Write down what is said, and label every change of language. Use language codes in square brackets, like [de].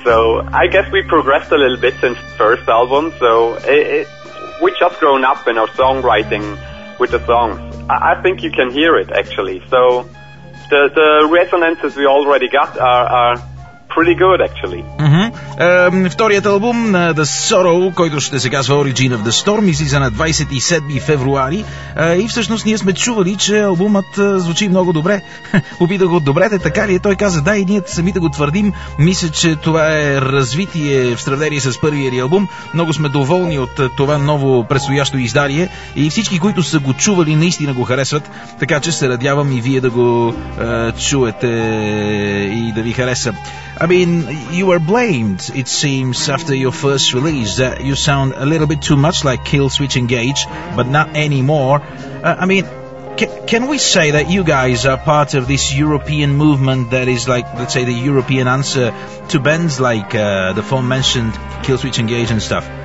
[en] So I guess we progressed a little bit since first album. So we just grown up in our songwriting with the songs. I think you can hear it, actually. So the resonances we already got are pretty good, actually. Mm-hmm. [bg] Вторият албум на The Sorrow, който ще се казва Origin of the Storm, излиза на 27 февруари. И всъщност ние сме чували, че албумът звучи много добре. Попитах го, добре, те, така ли е? Той каза, да, и ние сами да го твърдим. Мисля, че това е развитие в сравнение с първия албум. Много сме доволни от това ново предстоящо издание. И всички, които са го чували, наистина го харесват. Така че се надявам и вие да го чуете и да ви хареса. [en] I mean, you were blamed, it seems, after your first release, that you sound a little bit too much like Killswitch Engage, but not anymore. I mean, can we say that you guys are part of this European movement that is like, let's say, the European answer to bands like the aforementioned Killswitch Engage and stuff?